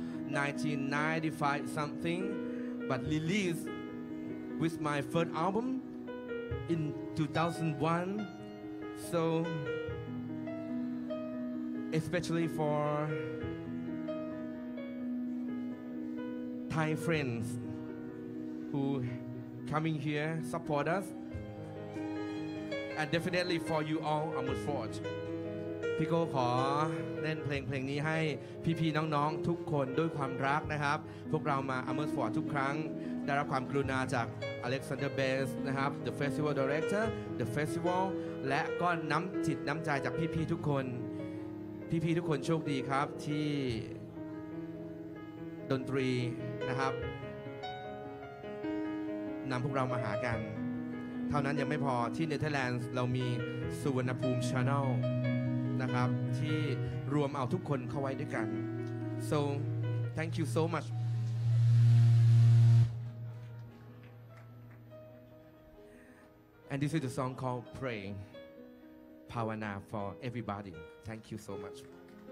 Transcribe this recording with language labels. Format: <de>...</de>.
<en>1995 something, but released with my third album in 2001, so especially for Thai friends who coming here support us, and definitely for you all, Amersfoort.</en> <th>พี่โก้ขอเล่นเพลงเพลงนี้ให้พี่ๆน้องๆทุกคนด้วยความรักนะครับพวกเรามา Amersfoort ทุกครั้งได้รับความกรุณาจาก Alexander Benz นะครับ The Festival Director The Festival และก็น้ำจิตน้ำใจจากพี่ๆทุกคนพี่ๆทุกคนโชคดีครับที่ดนตรีนะครับนำพวกเรามาหากันเท่านั้นยังไม่พอที่เนเธอร์แลนด์เรามีสุวรรณภูมิชาแนล นะครับที่รวมเอาทุกคนเข้าไว้ด้วยกัน</th> <en>so thank you so much and this is the song called praying Pawana for everybody thank you so muchFrom</en>